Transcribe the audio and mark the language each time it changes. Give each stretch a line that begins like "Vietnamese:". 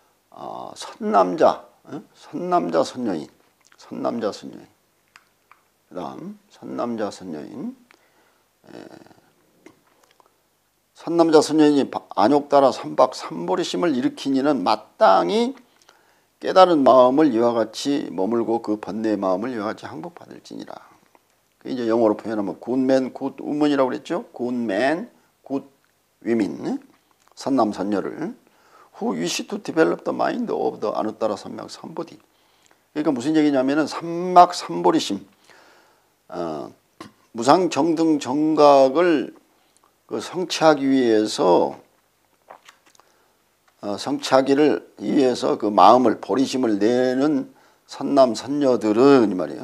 Korean: 아, 선남자. 선남자 선녀인, 선남자 선녀인, 그다음 선남자 선녀인, 선남자 선녀인이 안욕 따라 삼박 삼보리심을 일으키니는 마땅히 깨달은 마음을 이와 같이 머물고 그 번뇌의 마음을 이와 같이 항복받을지니라. 그 이제 영어로 표현하면
English: good man, good woman
Korean: 이라고 그랬죠. good man, good women, 선남 선녀를
English: Who wish to develop the mind of the 아누따라 삼맥 삼보디.
Korean: 그러니까 무슨 얘기냐면은 삼맥 삼보리심, 무상 정등 정각을 그 성취하기 위해서 성취하기를 위해서 그 마음을 보리심을 내는 선남 선녀들은 이 말이에요.